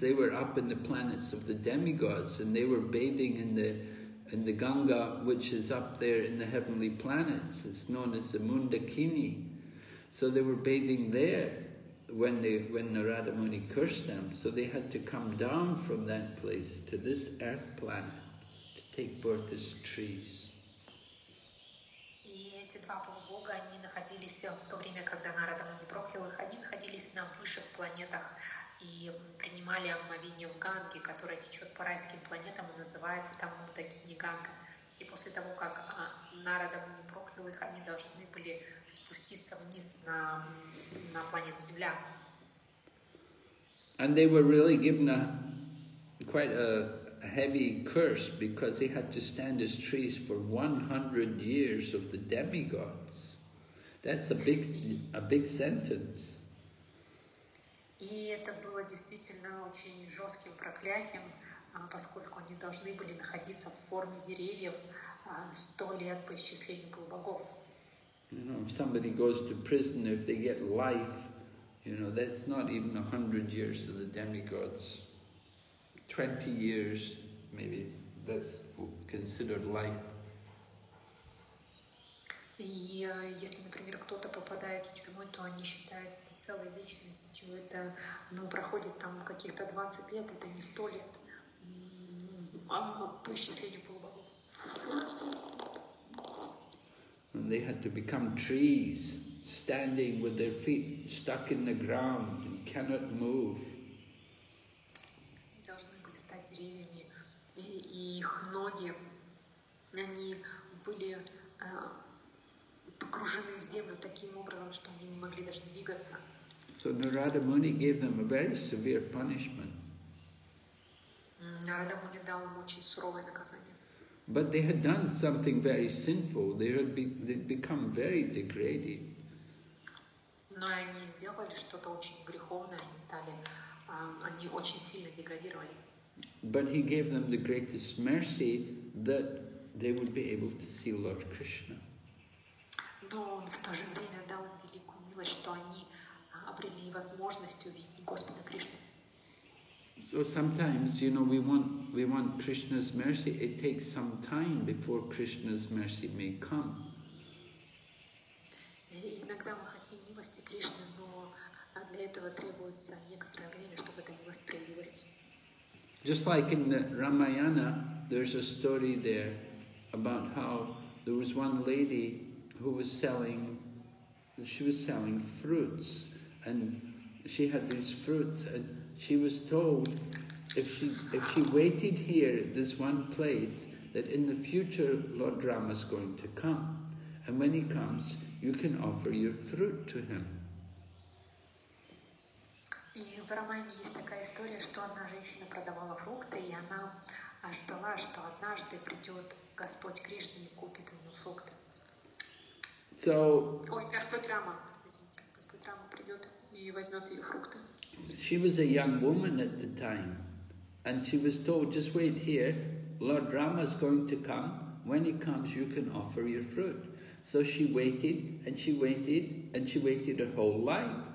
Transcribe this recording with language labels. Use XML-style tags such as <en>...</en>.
<en>They were up in the planets of the demigods, and they were bathing in the Ganga, which is up there in the heavenly planets. It's known as the Mundakini. So they were bathing there. When Narada Muni cursed them, so they had to come down from that place to this earth planet to take birth as trees.</en> <ru>И эти два полубога, они находились в то время, когда Нарада Муни проклял их, они находились на высших планетах и принимали омовение в Ганге, которая течет по райским планетам и называется там Мундакини Ганга. И после того, как Нарада Муни проклял их, они должны были спуститься вниз на планету Земля.</ru> <en>And they were really given quite a heavy curse because they had to stand as trees for 100 years of the demigods. That's a big sentence.</en> <ru>И это было действительно очень жестким проклятием, поскольку они должны были находиться в форме деревьев 100 лет по исчислению полубогов.</ru> <en>You know, if somebody goes to prison, if they get life, you know, that's not even 100 years of the demigods. 20 years, maybe, that's considered life.</en> <ru>И если, например, кто-то попадает в тюрьму, то они считают целой вечностью. Это, ну, проходит там каких-то 20 лет, это не 100 лет. По исчислению полубогов.</ru> <en>And they had to become trees, standing with their feet stuck in the ground and cannot move.</en> <ru>Должны были стать деревьями, и их ноги, они были погружены в землю таким образом, что они не могли даже двигаться.</ru> <en>So Narada Muni gave them a very severe punishment.</en> <ru>Narada Muni дал им очень суровое наказание.</ru> <en>But they had done something very sinful. They had they'd become very degraded.</en> <ru>Но они сделали что-то очень греховное. Они стали, они очень сильно деградировали.</ru> <en>But he gave them the greatest mercy that they would be able to see Lord Krishna.</en> <ru>Но он в то же время дал им великую милость, что они обрели возможность увидеть Господа Кришну.</ru> <en>So sometimes, you know, we want Krishna's mercy. It takes some time before Krishna's mercy may come.</en> <ru>Иногда мы хотим милости Кришны, но для этого требуется некоторое время, чтобы эта милость проявилась.</ru> <en>Just like in the Ramayana, there's a story there about how there was one lady who was selling, she was selling fruits, and she had these fruits, and she was told if she waited here at this one place, that in the future Lord Rama is going to come, and when he comes, you can offer your fruit to him.</en> <ru>И в романе есть такая история, что одна женщина продавала фрукты, и она ждала, что однажды придет Господь Кришна и купит у нее фрукты.</ru> <en>So,</en> <ru>ой, Господь Рама, извините, Господь Рама придет и возьмет ее фрукты.</ru> <en>She was a young woman at the time, and she was told, just wait here, Lord Rama is going to come, when he comes you can offer your fruit. So she waited, and she waited, and she waited her whole life.</en>